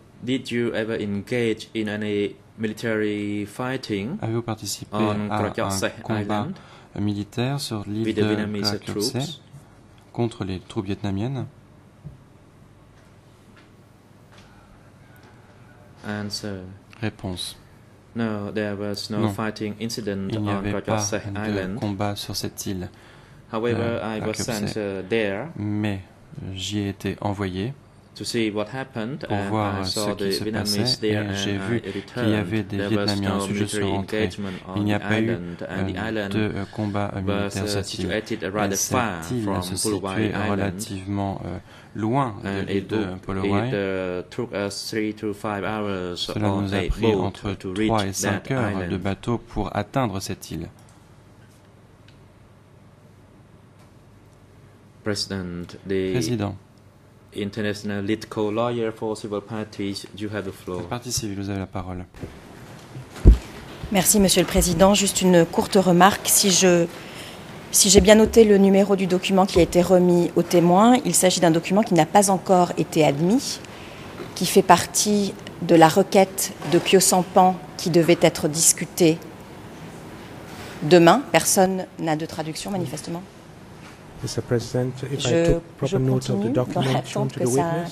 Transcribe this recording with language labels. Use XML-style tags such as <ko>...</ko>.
<en>did you ever engage in any military fighting</en> <fr>Avez-vous participé à un combat</fr> <en>Island</en> <fr>militaire sur l'île de Krachok Seh contre les troupes vietnamiennes?</fr> <en>Answer.</en> <fr>Réponse.</fr> <en>No, there was no</en> <fr>non.</fr> <en>Fighting incident</en> <fr>Il n'y avait Krachok Seh pas</fr> <en>Island.</en> <fr>De combat sur cette île.</fr> <en>However, I was sent there.</en> <fr>Mais j'y ai été envoyé.</fr> <en>To see what happened,</en> <fr>pour voir</fr> <en>and</en> <fr>ce qui se passait</fr> <en>there,</en> <fr>et j'ai vu qu'il y avait des Vietnamiens</fr> <en>no</en> <fr>je suis rentré il n'y a pas eu de combat militaire cette île mais cette île se situait relativement loin de Polowai cela nous a pris entre 3 et 5 heures de bateau pour atteindre cette île.</fr> <en>Président International litco lawyer for civil parties, you have the floor.</en> <fr>Participez, vous avez la parole. Merci, Monsieur le Président. Juste une courte remarque. Si j'ai bien noté le numéro du document qui a été remis au témoin, il s'agit d'un document qui n'a pas encore été admis, qui fait partie de la requête de Kyo Sampan qui devait être discutée demain. Personne n'a de traduction, manifestement.</fr> <en>Mr. President, if</en> <fr>je,</fr> <en>I took proper note of the document shown to the witness,</en>